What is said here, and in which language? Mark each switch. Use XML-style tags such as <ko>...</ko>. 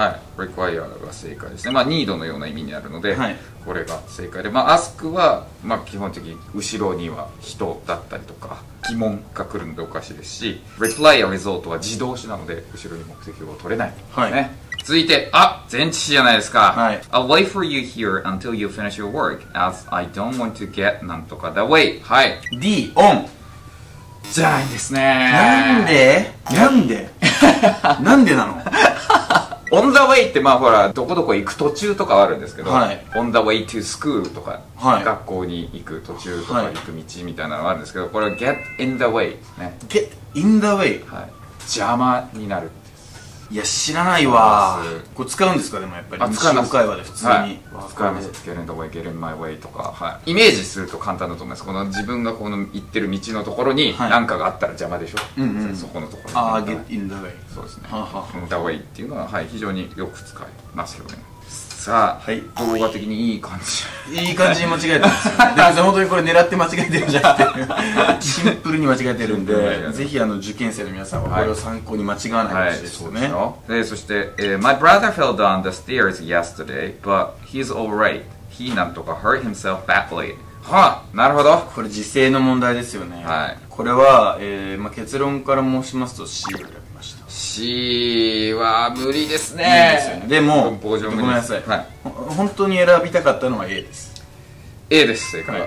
<ja>はい、 require が正解ですね。まあ need のような意味になるので、はい、これが正解で、まあ ask は、まあ、基本的に後ろには人だったりとか疑問が来るのでおかしいですし、 reply や result は自動詞なので後ろに目的を取れないですね、はい。続いて、あ、前置詞じゃないですか。はい。</ja> <en>I'll wait for you here until you finish your work, as I don't want to get なんとか that way。</en> <ja>はい。 D、on じゃないですね。なんで？なんで？なんでなの？ On the way って、まあほら、どこどこ行く途中とかはあるんですけど、はい、 On the way to school とか、はい、学校に行く途中とか行く道みたいなのはあるんですけど、これは get in the way ですね。 get in the way？はい。邪魔になる。いや、知らないわ。これ使うんですか。でもやっぱり使います。日常会話で普通に、はい、使います。Get in the way、 Get in my way とか、はい、イメージすると簡単だと思います。この自分がこの行ってる道のところに何かがあったら邪魔でしょ、はい、うんうん、そこのところに、ああ、Get in the way、そうですね、はは、 In the way っていうのは、はい、非常によく使いますよね。さあ、はい、動画的にいい感じ、いい感じに間違えてますよ、ね、で本当にこれ狙って間違えてるんじゃなくてシンプルに間違えてるんで、ぜひあの受験生の皆さんはこれを参考に間違わないでほしいですよね、はい、そして、</ja> <en>My brother fell down the stairs yesterday, but he's alright. He なんとか hurt himself badly.</en> <ja>はあ、なるほど。これ時制の問題ですよね、はい、これは、まあ、結論から申しますと C を選びました。 C は無理ですね。いいですよね。でも文法上無理です。ごめんなさい、はい、本当に選びたかったのは A です。 A です、正解は、</ja>